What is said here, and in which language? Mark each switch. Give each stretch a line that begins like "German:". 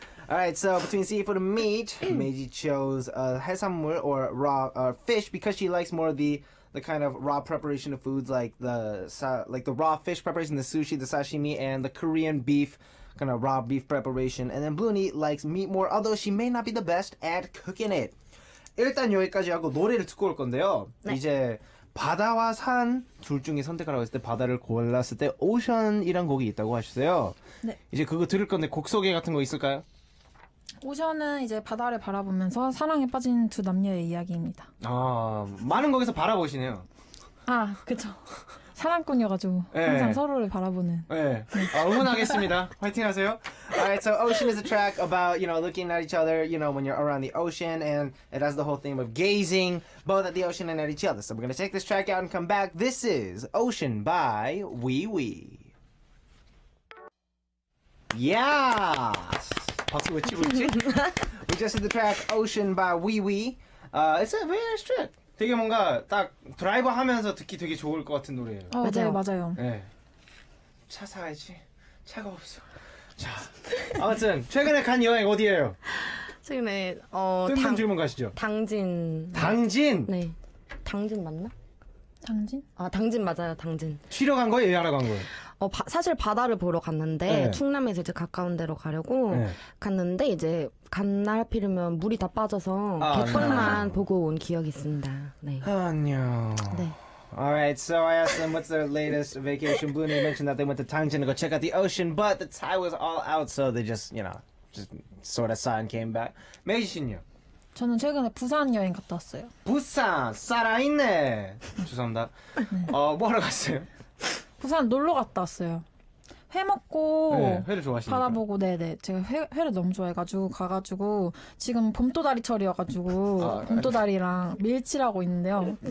English: Alright, so between seafood and meat, Meiji chose 해산물 or raw fish because she likes more the kind of raw preparation of foods like the raw fish preparation, the sushi, the sashimi, and the Korean beef. Kind of raw beef preparation. And then Bloonie likes meat more, although she may not be the best at cooking it.
Korean: 일단 여기까지 하고 노래를 듣고 올 건데요. 네. 이제 바다와 산 둘 중에 선택하라고 했을 때 바다를 골랐을 때 오션이란 곡이 있다고 하셨어요. 네. 이제 그거 들을 건데 곡 소개 같은 거 있을까요? 오션은 이제 바다를 바라보면서 사랑에 빠진 두 남녀의 이야기입니다. 아, 많은 거기서 바라보시네요. 아, 그쵸. 사랑꾼이어가지고 네. 항상 서로를 바라보는. 네. 응원하겠습니다. 화이팅하세요.
English: Alright, so Ocean is a track about, you know, looking at each other, you know, when you're around the ocean, and it has the whole theme of gazing both at the ocean and at each other. So we're gonna take this track out and come back. This is Ocean by Wee Wee. Yes.
Korean: 박수 외치고 있지?
English: We just hit the track Ocean by Wee Wee. It's a very nice track.
Korean: 되게 뭔가 딱 드라이브 하면서 듣기 되게 좋을 것 같은 노래예요. 어, 맞아요, 맞아요. 네. 차 사야지. 차가 없어. 자, 아무튼 최근에 간 여행 어디예요? 최근에 뜬금 질문 가시죠. 당진. 당진? 네. 당진 맞나? 당진? 아, 당진 맞아요, 당진. 쉬러 간 거예요, 예약하러 간 거예요? 사실 바다를 보러 갔는데 네. 충남에서 이제 가까운 데로 가려고 네. 갔는데 이제 갔날 하필이면 물이 다 빠져서 갯벌만 아, 네. 보고 온 기억이 있습니다. 네. 안녕. 네.
English: Alright, so I asked them what's their latest vacation. Bloonie mentioned that they went to Tangjin to go check out the ocean, but the tide was all out, so they just, you know, just sort of saw and came back.
Korean: 메이지 씨는요? 저는 최근에 부산 여행 갔다 왔어요. 부산 살아있네. 죄송합니다. 네. 뭐하러 갔어요? 부산 놀러 갔다 왔어요. 회 먹고 네, 회를 좋아하시니까. 바다 보고 네네 제가 회를 너무 좋아해가지고 가가지고 지금 봄도다리 철이어가지고 봄도다리랑 밀치라고 있는데요.